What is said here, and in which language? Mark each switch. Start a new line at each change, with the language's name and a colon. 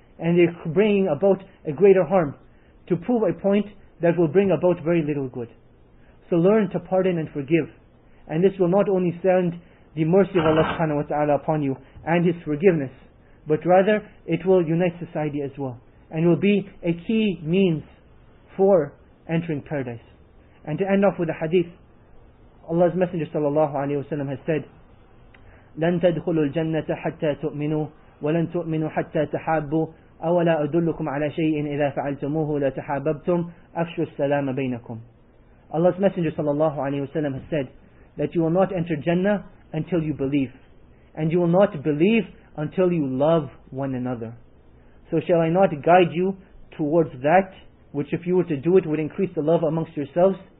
English: And they're bringing about a greater harm to prove a point that will bring about very little good. So learn to pardon and forgive. And this will not only send the mercy of Allah subhanahu wa ta'ala upon you and His forgiveness, but rather it will unite society as well. And will be a key means for entering paradise. And to end off with a hadith, Allah's Messenger sallallahu alayhi wa sallam has said,
Arabic: لَن تَدْخُلُوا الْجَنَّةَ حَتَّى تُؤْمِنُوا وَلَن تُؤْمِنُوا حَتَّى تَحَابُوا أَوَلَا أَدُلُّكُمْ عَلَى شَيْءٍ إِذَا فَعَلْتُمُوهُ لَتَحَابَبْتُمْ أَفْشُوا السَّلَامَ بَيْنَكُمْ.
English: Allah's Messenger sallallahu alayhi wa sallam has said that you will not enter Jannah until you believe, and you will not believe until you love one another. So shall I not guide you towards that which, if you were to do it, would increase the love amongst yourselves?